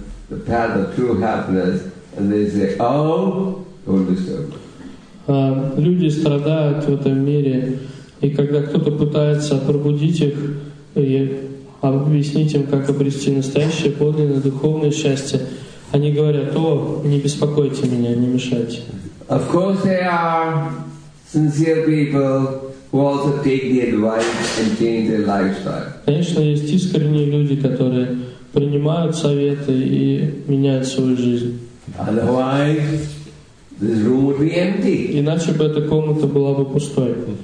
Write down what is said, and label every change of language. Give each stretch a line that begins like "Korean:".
English: The path of true happiness, and they say, "Oh, don't disturb."
Russian: Люди страдают в этом мире, и когда кто-то пытается пробудить их и объяснить им, как обрести настоящее подлинное духовное счастье, они говорят: "О, не беспокойте меня, не мешайте."
English: Of course, they are sincere people who also take the advice and change their lifestyle.
Russian: Конечно, есть искренние люди, которые принимают советы и меняют свою жизнь. Иначе бы эта комната была бы пустой.